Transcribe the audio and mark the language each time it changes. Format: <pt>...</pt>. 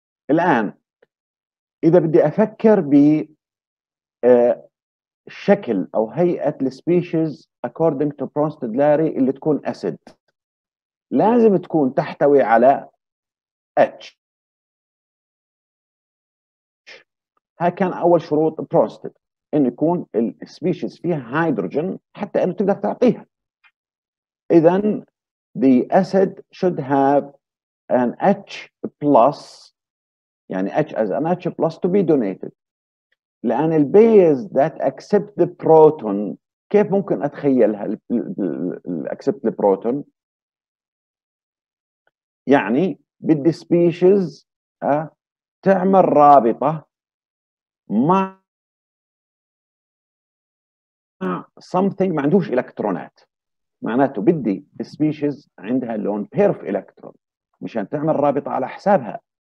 <ar>الآن إذا بدي أفكر بشكل أو هيئة السبيشيز</ar> <en>according to Bronsted Lowry</en> <ar>اللي تكون أسيد، لازم تكون تحتوي على H. ها كان أول شروط Bronsted، إن يكون السبيشيز فيها هيدروجين حتى إنه تقدر تعطيها.</ar> <en>إذن the acid should have an H plus، يعني H as an H plus to be donated.</en> <ar>لأن ال</ar> <en>base that accept the proton</en> <ar>كيف ممكن أتخيلها ال</ar> <en>accept the proton؟</en> <ar>يعني بدي species تعمل رابطة مع something ما عندوش إلكترونات، معناته بدي species عندها</ar> <en>lone pair of electron</en> <ar>مشان تعمل رابطة على حسابها.</ar>